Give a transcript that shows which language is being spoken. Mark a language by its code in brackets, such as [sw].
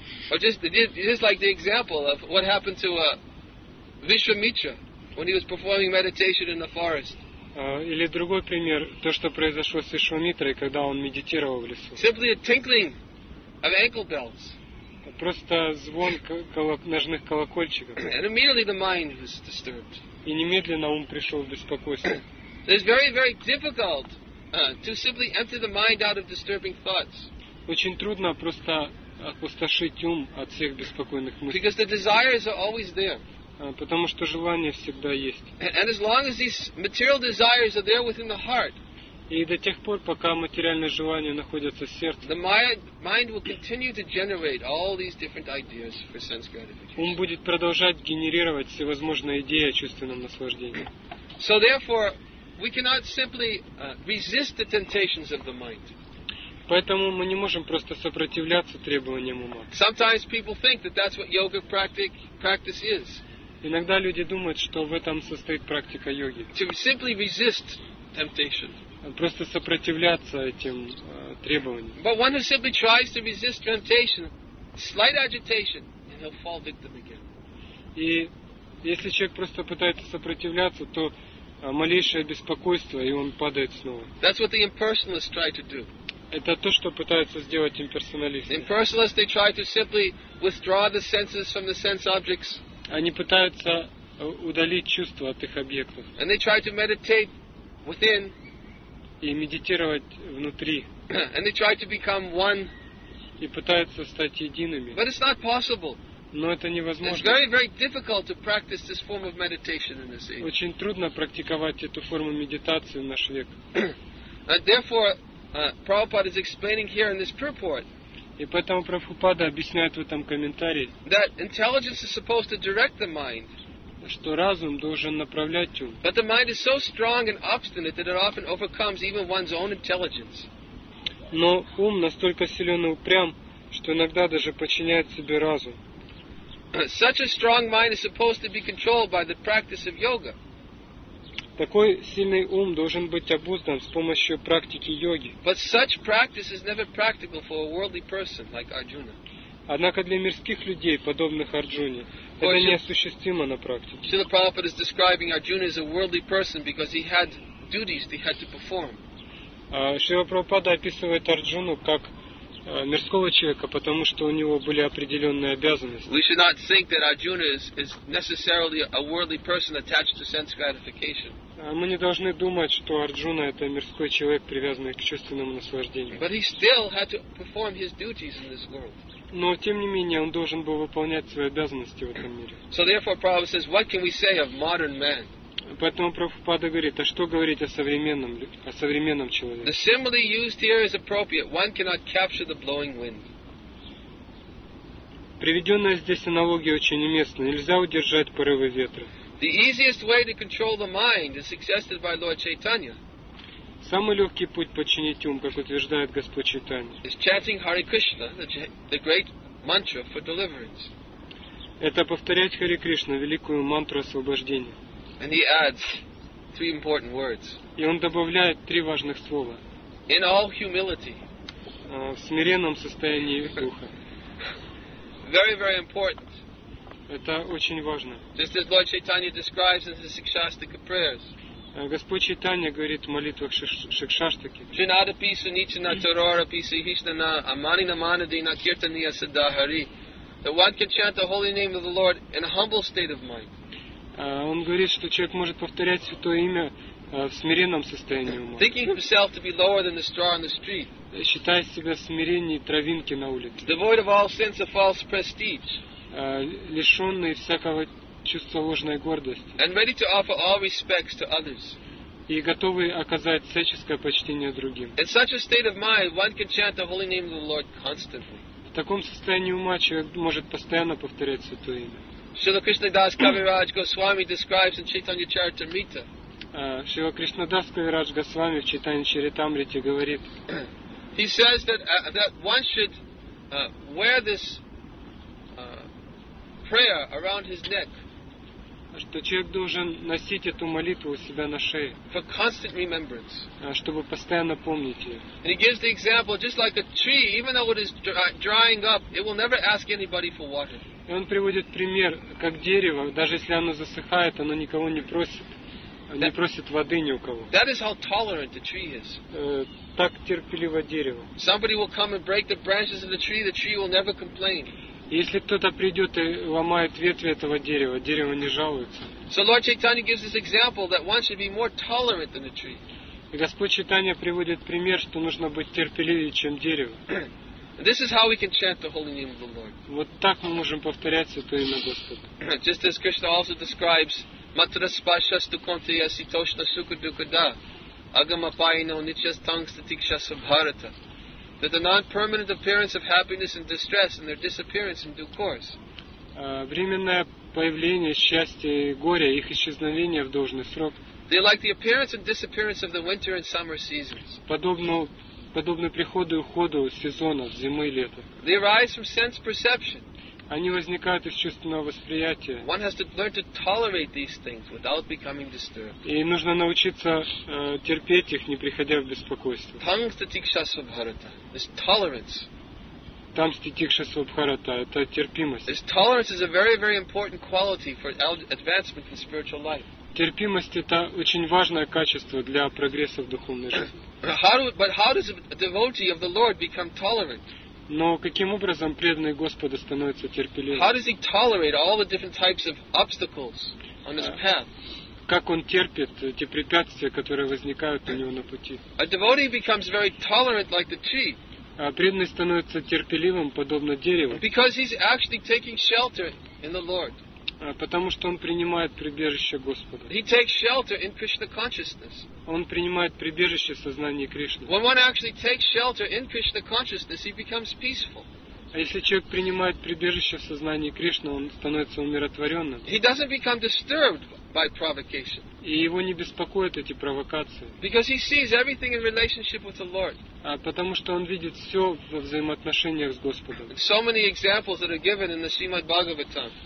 [en] Or just like the example of what happened to Vishwamitra when he was performing meditation in the forest. [ru] Или другой пример, то, что произошло с Вишвамитрой, когда он медитировал в лесу. [en] Simply a tinkling of ankle bells. [ru] Просто звон ножных колокольчиков. [en] And immediately the mind was disturbed. [ru] И немедленно ум пришел в беспокойство. [en] It's very, very difficult to simply empty the mind out of disturbing thoughts. [ru] Очень трудно просто опустошить ум от всех беспокойных мыслей. [en] Because the desires are always there. [ru] Потому что желания всегда есть. [en] And as long as these material desires are there within the heart, [ru] и до тех пор, пока материальные желания находятся в сердце, [en] the mind will continue to generate all these different ideas for sense gratification. [ru] Ум будет продолжать генерировать всевозможные идеи о чувственном наслаждении. [en] So therefore, we cannot simply resist the temptations of the mind. [ru] Поэтому мы не можем просто сопротивляться требованиям ума. [en] Sometimes people think that that's what yoga practice is. [ru] Иногда люди думают, что в этом состоит практика йоги. [en] To simply resist temptation. [ru] Просто сопротивляться этим требованиям. [en] But one who simply tries to resist temptation, slight agitation, and he'll fall victim again. [ru] И если человек просто пытается сопротивляться, то малейшее беспокойство, и он падает снова. [en] That's what the impersonalists try to do. [ru] Это то, что пытаются сделать имперсоналисты. [en] Impersonalists, they try to simply withdraw the senses from the sense objects. [ru] Они пытаются удалить чувства от их объектов. [en] And they try to meditate within. [ru] И медитировать внутри. [en] And they try to become one. [ru] И пытаются стать едиными. [en] But it's not possible. [ru] Но это невозможно. [en] It's very, very difficult to practice this form of meditation in this age. [ru] Очень трудно практиковать эту форму медитации в наш век. [en] Therefore, Prabhupada is explaining here in this purport. [ru] И поэтому Прабхупада объясняет в этом комментарии. [en] That intelligence is supposed to direct the mind. [ru] Что разум должен направлять ум. [en] But the mind is so strong and obstinate that it often overcomes even one's own intelligence. [ru] Но ум настолько силен и упрям, что иногда даже подчиняет себе разум. [en] Such a strong mind is supposed to be controlled by the practice of yoga. [ru] Такой сильный ум должен быть обуздан с помощью практики йоги. [en] But such practice is never practical for a worldly person like Arjuna. [ru] Однако для мирских людей, подобных Арджуне, это неосуществимо на практике. [en] Srila Prabhupada is describing Arjuna as a worldly person because he had duties they had to perform. [ru] Srila Prabhupada описывает Арджуну как мирского человека, потому что у него были определенные обязанности. [en] We should not think that Arjuna is necessarily a worldly person attached to sense gratification. [ru] Мы не должны думать, что Арджуна это мирской человек, привязанный к чувственному наслаждению. [en] But he still had to perform his duties in this world. [ru] Но тем не менее он должен был выполнять свои обязанности в этом мире. [en] So therefore, Prabhupada says, what can we say of modern man? [ru] Поэтому Прабхупада говорит, а что говорить о современном человеке? [en] The simile used here is appropriate. One cannot capture the blowing wind. [ru] Приведенная здесь аналогия очень уместна. Нельзя удержать порывы ветра. [en] The easiest way to control the mind is suggested by Lord Chaitanya. [ru] Самый легкий путь подчинить ум, как утверждает Господь Чайтанья. [en] Is chanting Hare Krishna, the great mantra for deliverance. [ru] Это повторять Харе Кришна, великую мантру освобождения. [en] And he adds three important words. [ru] И он добавляет три важных слова. [en] In all humility. [ru] В смиренном состоянии духа. [en] Very, very important. [ru] Это очень важно. [en] Just as Lord Chaitanya describes in his Shikshastika prayers. [ru] Господь Чайтанья говорит в молитвах Шикшаштаки. [sa] Чинада писа ничина тарора писа хишнана амани намана дина киртания садахари. [en] That one can chant the holy name of the Lord in a humble state of mind. [ru] Он говорит, что человек может повторять святое имя в смиренном состоянии ума. [en] Thinking himself to be lower than the straw on the street. [ru] Считая себя в смирении травинки на улице. [en] Devoid of all sense of false prestige. [ru] Лишенный всякого чувства ложной гордости. [en] And ready to offer all respects to others. [ru] И готовый оказать всяческое почтение другим. [en] In such a state of mind, one can chant the holy name of the Lord constantly. [ru] В таком состоянии ума человек может постоянно повторять святое имя. [en] Srila Krishna Das Kaviraj Goswami describes in Chaitanya Charitamrita. [ru] Srila Krishna Das Kaviraj Goswami в Чайтанья Чаритамрите говорит. [en] He says that that one should wear this prayer around his neck. [ru] Что человек должен носить эту молитву у себя на шее. [en] For constant remembrance. [ru] Чтобы постоянно помнить ее. [en] And he gives the example just like a tree, even though it is drying up, it will never ask anybody for water. [ru] И он приводит пример, как дерево, даже если оно засыхает, оно никого не просит, не просит воды ни у кого. [en] That is how tolerant the tree is. [ru] Так терпеливо дерево. [en] Somebody will come and break the branches of the tree will never complain. [ru] Если кто-то придет и ломает ветви этого дерева, дерево не жалуется. [en] So Lord Chaitanya gives this example that one should be more tolerant than the tree. [ru] И Господь Чайтанья приводит пример, что нужно быть терпеливее, чем дерево. [en] This is how we can chant the holy name of the Lord. [ru] Вот так мы можем повторять святое имя Господа. [en] Just as Krishna also describes, [sa] Matra spashastu kontiya sitoshna sukadukada agama paino nichas tangstatiksha sabharata. [en] That the non-permanent appearance of happiness and distress and their disappearance in due course. [ru] Временное появление счастья и горя, их исчезновение в должный срок. [en] They like the appearance and disappearance of the winter and summer seasons. [ru] Подобно приходу и уходу сезонов, зимы и лета. [en] They arise from sense perception. [ru] Они возникают из чувственного восприятия. [en] One has to learn to tolerate these things without becoming disturbed. [ru] И нужно научиться терпеть их, не приходя в беспокойство. [sa] Тамститикша Свабхарата. [en] It's tolerance. [sa] Тамститикша Свабхарата. [ru] Это терпимость. [en] This tolerance is a very, very important quality for advancement in spiritual life. [ru] Терпимость – это очень важное качество для прогресса в духовной жизни. [en] But how does a devotee of the Lord become tolerant? [ru] Но каким образом преданный Господу становится терпеливым? [en] How does he tolerate all the different types of obstacles on his path? [ru] Как он терпит те препятствия, которые возникают у него на пути? [en] A devotee becomes very tolerant like the tree. [ru] А преданный становится терпеливым, подобно дереву. [en] Because he's actually taking shelter in the Lord. [ru] Потому что он принимает прибежище Господа. [en] He takes shelter in Krishna consciousness. [ru] Он принимает прибежище в сознании Кришны. [en] When one actually takes shelter in Krishna consciousness, he becomes peaceful. [ru] А если человек принимает прибежище в сознании Кришны, он становится умиротворенным. [en] He doesn't become disturbed by provocation. [ru] И его не беспокоят эти провокации. [en] Because he sees everything in relationship with the Lord. [ru] Потому что он видит все во взаимоотношениях с Господом. [en] So many examples that are given in the Srimad Bhagavatam.